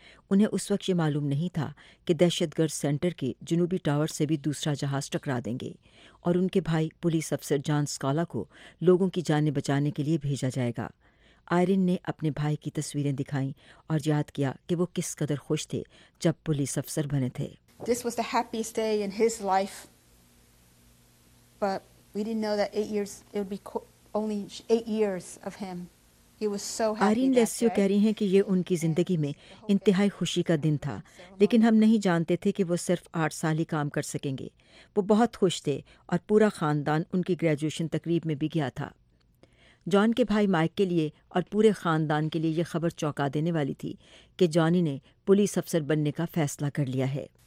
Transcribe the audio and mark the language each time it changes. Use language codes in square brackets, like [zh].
[ur] انہیں اس وقت یہ معلوم نہیں تھا کہ دہشت گرد سینٹر کے جنوبی ٹاور سے بھی دوسرا جہاز ٹکرا دیں گے اور ان کے بھائی پولیس افسر جان سکالا کو لوگوں کی جانیں بچانے کے لیے بھیجا جائے گا۔ آئرین نے اپنے بھائی کی تصویریں دکھائیں اور یاد کیا کہ وہ کس قدر خوش تھے جب پولیس افسر بنے تھے۔ [en] This was the happiest day in his life, but we didn't know that 8 years it would be only 8 years of him. He was so happy. [ur] آئرین لیسیو کہہ رہی ہیں کہ یہ ان کی زندگی میں انتہائی خوشی کا دن تھا لیکن ہم نہیں جانتے تھے کہ وہ صرف 8 سال ہی کام کر سکیں گے۔ وہ بہت خوش تھے اور پورا خاندان ان کی گریجویشن تقریب میں بھی گیا تھا۔ جان کے بھائی مائک کے لیے اور پورے خاندان کے لیے یہ خبر چونکا دینے والی تھی کہ جانی نے پولیس افسر بننے کا فیصلہ کر لیا ہے۔